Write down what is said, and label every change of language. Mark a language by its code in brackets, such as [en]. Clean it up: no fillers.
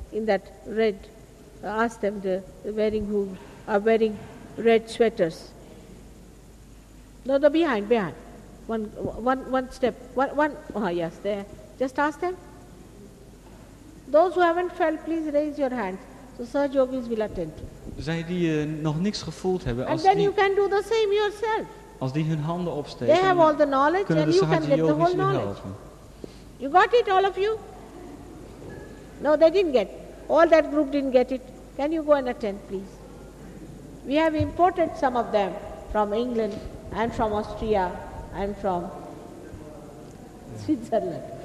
[en] In that red, ask them who are wearing red sweaters. No, the behind. One step. Oh, yes, there. Just ask them. Those who haven't felt, please raise your hands. So Sahaja Yogis will attend. [nl] Zij die nog niks gevoeld hebben. [en] And then you can do the same yourself. [nl] Als die hun handen opsteken. [en] They have all the knowledge and you can get the whole knowledge. You got it, all of you? No, they didn't get it. All that group didn't get it. Can you go and attend, please? We have imported some of them from England and from Austria and from Switzerland.